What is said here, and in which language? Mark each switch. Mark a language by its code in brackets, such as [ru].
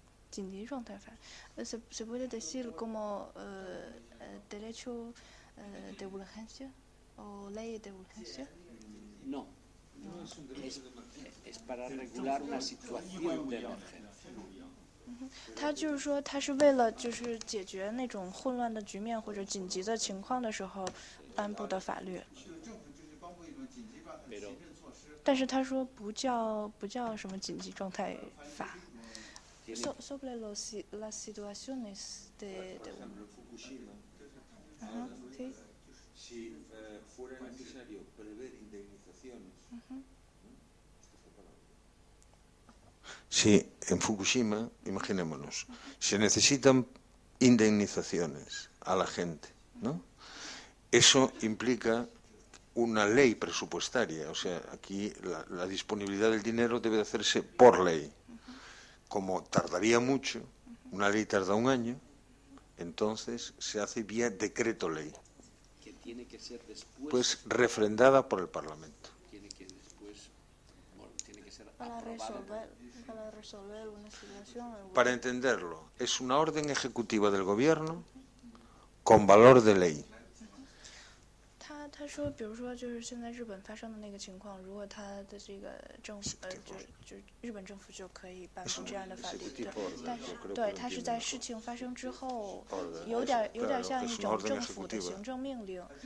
[es] 紧急状态法 ¿Se puede decir como derecho de urgencia o ley de urgencia? No, es para regular una situación de urgencia. [zh] 他就是说他是为了就是解决那种混乱的局面或者紧急的情况的时候颁布的法律。政府就是颁布一种紧急状态的法律。但是他说不叫什么紧急状态法。 [es] Sobre las situaciones de. Por ejemplo, Fukushima. Ajá, sí. Si fuera necesario prever indemnizaciones. Sí, en Fukushima, imaginémonos, se necesitan indemnizaciones a la gente, ¿no? Eso implica una ley presupuestaria, o sea, aquí la disponibilidad del dinero debe de hacerse por ley. Como tardaría mucho, una ley tarda un año, entonces se hace vía decreto ley, que tiene que ser después, pues refrendada por el Parlamento. Tiene que después, bueno, tiene que ser para resolver una situación. Para entenderlo, es una orden ejecutiva del gobierno con valor de ley. [zh] 他说，比如说，就是现在日本发生的那个情况，如果他的这个政府，就日本政府就可以颁布这样的法律，对，但是对他是在事情发生之后，有点像一种政府的行政命令。